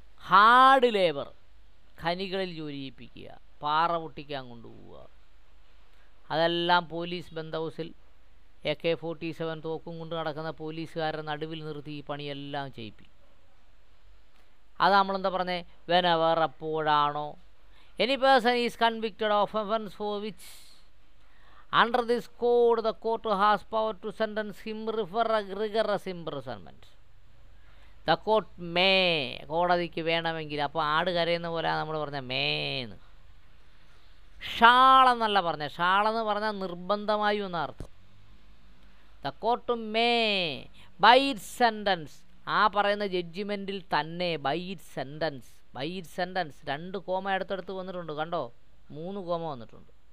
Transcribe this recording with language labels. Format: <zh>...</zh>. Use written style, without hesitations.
<ml>Hard labour, ഖനികളിൽ ജോലി ചെയ്യിപ്പിക്കുക, പാറ പൊട്ടിക്കാൻ കൊണ്ടുപോവുക, അതെല്ലാം പോലീസ് ബന്ദോബസ്തിൽ AK-47 തോക്കും കൊണ്ട് നടക്കുന്ന പോലീസുകാരുടെ നടുവിൽ നിർത്തി ഈ പണിയെല്ലാം ചെയ്യിപ്പിക്കും. അത് നമ്മളെന്താ പറഞ്ഞേ?</ml> <en>whenever,</en> <ml>എപ്പോഴാണോ</ml> <en>any person is convicted of offence for which under this code the court has power to sentence him for a rigorous imprisonment the court may</en> <ml>കോടതിക്ക് വേണമെങ്കിൽ. അപ്പോൾ ആട് കരയുന്ന പോലെ നമ്മൾ പറഞ്ഞാൽ മേ എന്ന്. ഷാൾ എന്നല്ല പറഞ്ഞത്. ഷാൾ എന്ന് പറഞ്ഞാൽ നിർബന്ധമായും എന്നർത്ഥം.</ml> <en>the court may by it sentence,</en> <ml>ആ പറയുന്ന ജഡ്ജ്മെൻറ്റിൽ തന്നെ. By it sentence, by it sentence, രണ്ട് കോമ അടുത്തടുത്ത് വന്നിട്ടുണ്ട് കണ്ടോ, 3 കോമ വന്നിട്ടുണ്ട്.</ml>